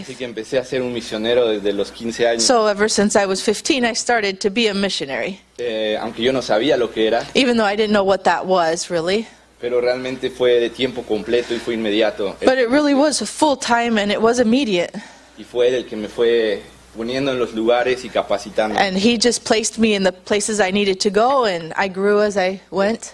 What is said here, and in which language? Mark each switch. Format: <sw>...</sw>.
<es>Así que empecé a ser un misionero desde los 15 años.</es> <en>So ever since I was 15, I started to be a missionary.</en> <es>Aunque yo no sabía lo que era.</es> <en>Even though I didn't know what that was, really.</en> <es>Pero realmente fue de tiempo completo y fue inmediato.</es> <en>But it really was full time and it was immediate.</en> <es>Y fue él el que me fue poniendo en los lugares y capacitando.</es> <en>And he just placed me in the places I needed to go, and I grew as I went.</en>